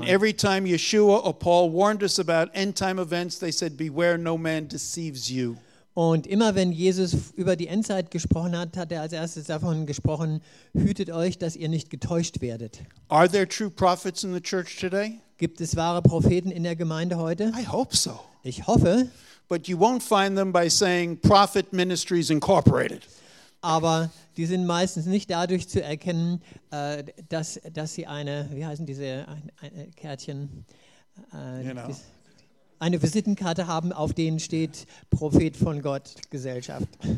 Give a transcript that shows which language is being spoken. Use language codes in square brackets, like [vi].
[en] And every time Yeshua or Paul warned us about end-time events, they said, "Beware, no man deceives you." [de] Und immer wenn Jesus über die Endzeit gesprochen hat, hat er als erstes davon gesprochen: Hütet euch, dass ihr nicht getäuscht werdet. [en] Are there true prophets in the church today? [de] Gibt es wahre Propheten in der Gemeinde heute? [en] I hope so. [de] Ich hoffe. [en] but you won't find them by saying Prophet Ministries Incorporated. [de] Aber die sind meistens nicht dadurch zu erkennen, dass sie eine, wie heißen diese Kärtchen, eine Visitenkarte haben, auf denen steht Prophet von Gott Gesellschaft.